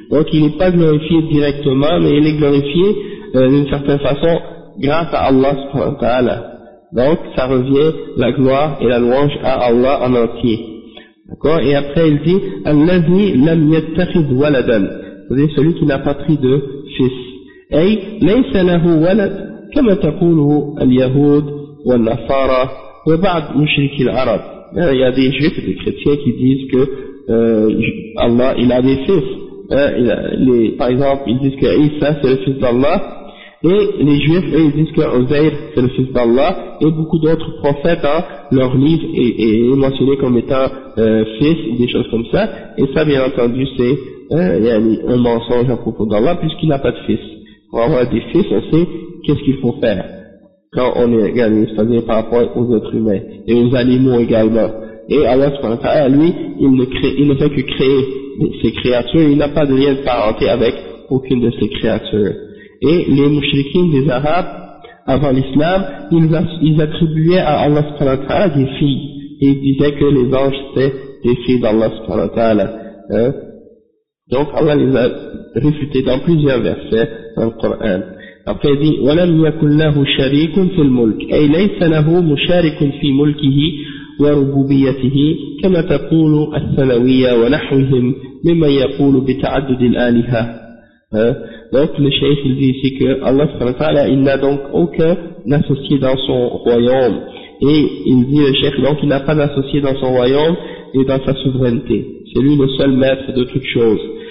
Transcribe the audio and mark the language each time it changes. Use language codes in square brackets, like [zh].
[fr] Donc il n'est pas glorifié directement, mais il est glorifié d'une certaine façon grâce à Allah subhanahu wa ta'ala. Donc ça revient la gloire et la louange à Allah en entier. D'accord? Et après il dit [ar] الذي لم يتخذ ولدا, [fr] c'est-à-dire celui qui n'a pas pris de fils. [ar] أي ليس له ولد كما تقوله اليهود والنصارى وبعض مشركي العرب. [fr] Il y a des juifs et des chrétiens qui disent que Allah il a des fils. Par exemple ils disent que Isa c'est le fils d'Allah, Et les Juifs, eux, ils disent que Uzair, c'est le fils d'Allah, et beaucoup d'autres prophètes, hein, leur livre est mentionné comme étant fils, des choses comme ça. Et ça, bien entendu, c'est un mensonge à propos d'Allah, puisqu'il n'a pas de fils. Pour avoir des fils, on sait qu'est-ce qu'il faut faire quand on est gagné, c'est-à-dire par rapport aux êtres humains et aux animaux également. Et Allah subhanahu wa ta'ala, lui, il ne fait que créer ses créatures, il n'a pas de lien de parenté avec aucune de ses créatures. Et les mouchriquins des Arabes, avant l'islam, ils attribuaient à Allah subhanahu wa ta'ala des filles. Ils disaient que les anges étaient des filles d'Allah subhanahu wa ta'ala. Donc Allah les a réfutés dans plusieurs versets dans le Coran. Après il dit, [ar] وَلَمْ يَكُنْ لَهُ شَرِيكٌ فِي الْمُلْكِ أَيْ لَيْسَ لَهُ مُشَارِكٌ فِي مُلْكِهِ وربوبيته كما تقول الثلوية ونحوهم مما يقول بتعدد الآلهة. [fr] Donc le cheikh il dit ici que Allah subhanahu wa ta'ala il n'a donc aucun associé dans son royaume, et il dit le cheikh donc il n'a pas d'associé dans son royaume et dans sa souveraineté, c'est lui le seul maître de toutes choses.